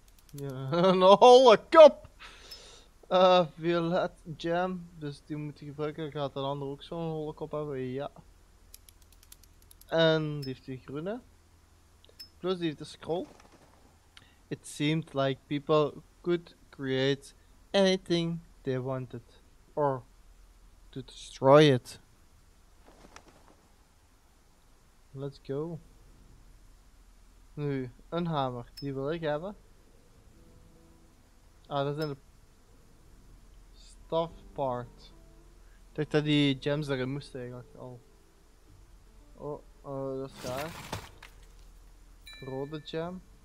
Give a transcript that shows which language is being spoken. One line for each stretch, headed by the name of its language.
Dutch: Ja, een holle kop. Violet gem. Dus die moet je gebruiken. Dan gaat een ander ook zo'n holle kop hebben. Ja. En die heeft die groene. Plus die heeft de scroll.
English: It seemed like people could create anything they wanted, or to destroy it. Let's go.
Dutch: Nu, een hamer, die wil ik hebben. Ah, dat zijn de
English: tough part.
Dutch: Ik dacht dat die gems erin moesten eigenlijk al. Oh, dat is daar. Rode gem.